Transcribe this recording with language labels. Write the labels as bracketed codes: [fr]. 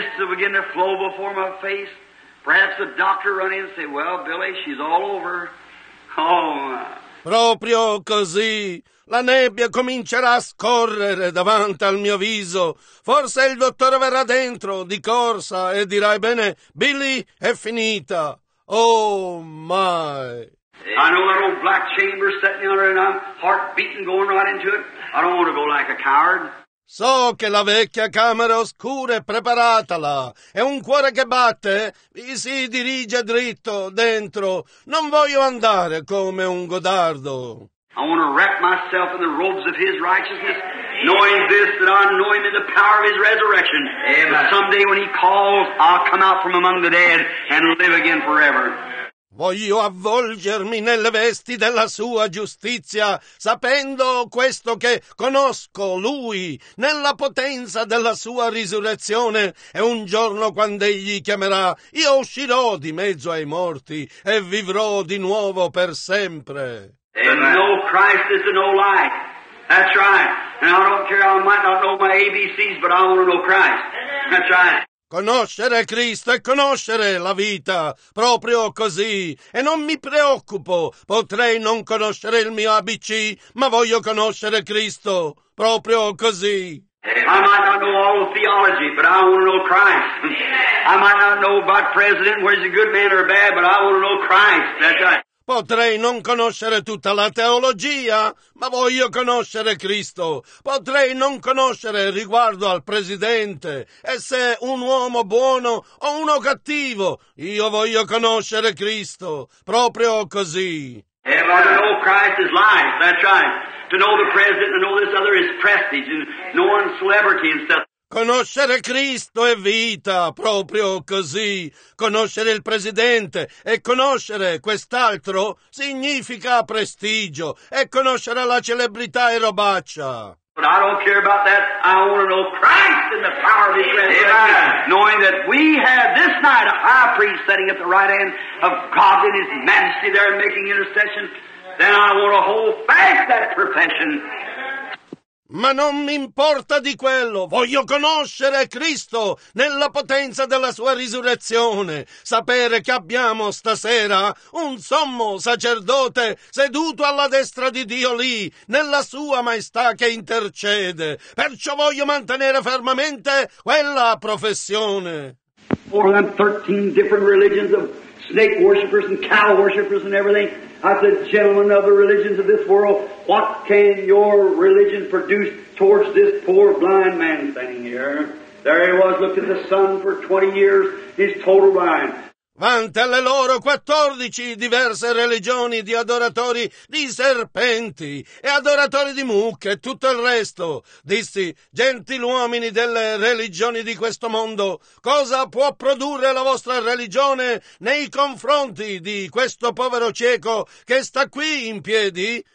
[en] Begin to flow before my face. Perhaps the doctor run in and say, well, Billy, she's all over. Oh, [it] proprio così. La nebbia comincerà a scorrere davanti al mio viso. Forse il dottore verrà dentro di corsa e dirà, bene, Billy, è finita. [en] Oh, my. I know that old black chamber sitting under and I'm heart beating going right into it. I don't want to go like a coward. [it] So che la vecchia camera oscura è preparata là, e un cuore che batte si dirige dritto dentro. Non voglio andare come un godardo. [en] I want to wrap myself in the robes of his righteousness, knowing this, that I'm knowing in the power of his resurrection. Amen. Someday when he calls, I'll come out from among the dead and live again forever. [it] Voglio avvolgermi nelle vesti della sua giustizia, sapendo questo che conosco lui, nella potenza della sua risurrezione, e un giorno quando egli chiamerà, io uscirò di mezzo ai morti e vivrò di nuovo per sempre. [en] And no Christ is no lie. That's right. And I don't care, I might not know my ABCs, but I want to know Christ. That's right. [it] Conoscere Cristo è conoscere la vita, proprio così. E non mi preoccupo, potrei non conoscere il mio ABC, ma voglio conoscere Cristo, proprio così. [en] I might not know all the theology, but I want to know Christ. I might not know about president, whether he's a good man or a bad, but I want to know Christ, that's right. [it] Potrei non conoscere tutta la teologia, ma voglio conoscere Cristo. Potrei non conoscere riguardo al presidente, e se è un uomo buono o uno cattivo. Io voglio conoscere Cristo, proprio così. [en] Everybody know Christ is life, that's right. To know the president, to know this other is prestige, and knowing celebrity and stuff. [it] Conoscere Cristo è vita, proprio così. Conoscere il presidente e conoscere quest'altro significa prestigio, e conoscere la celebrità e robaccia. [en] But I don't care about that. I want to know Christ in the power of his resurrection. Yeah. Knowing that we have this night a high priest sitting at the right hand of God in his majesty there making intercession, then I want to hold fast that profession. [it] Ma non mi importa di quello, voglio conoscere Cristo nella potenza della sua risurrezione, sapere che abbiamo stasera un sommo sacerdote seduto alla destra di Dio lì, nella sua maestà che intercede, perciò voglio mantenere fermamente quella professione. [en] 413 different religions of snake worshippers and cow worshippers and everything. I said, gentlemen of the religions of this world, what can your religion produce towards this poor blind man standing here? There he was, looked at the sun for 20 years, he's total blind. [it] Vante alle loro 14 diverse religioni di adoratori di serpenti e adoratori di mucche e tutto il resto. Dissi, gentiluomini delle religioni di questo mondo, cosa può produrre la vostra religione nei confronti di questo povero cieco che sta qui in piedi?